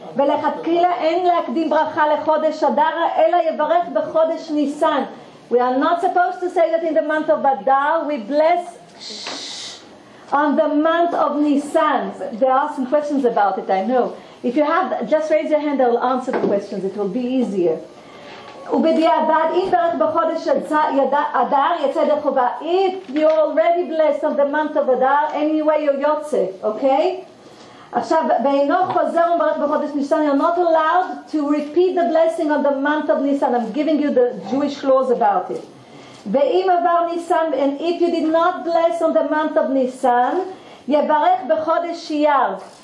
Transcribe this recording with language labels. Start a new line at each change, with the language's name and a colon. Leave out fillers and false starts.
Hebrew: ולכתחילה אין להקדים ברכה לחודש אדר אלא יברך בחודש ניסן.
English: We are not supposed to say that in the month of Adar. We bless on the month of Nisan. There are some questions about it, I know. If you have, just raise your hand, I will answer the questions. It will be easier.
Hebrew: ובדיעבד, אם ברך בחודש אדר יצא ידי חובה.
English: If you already blessed on the month of Adar, anyway you יוצא, okay? You're not allowed to repeat the blessing on the month of Nisan. I'm giving you the Jewish laws about it. And if you did not bless on the month of Nisan,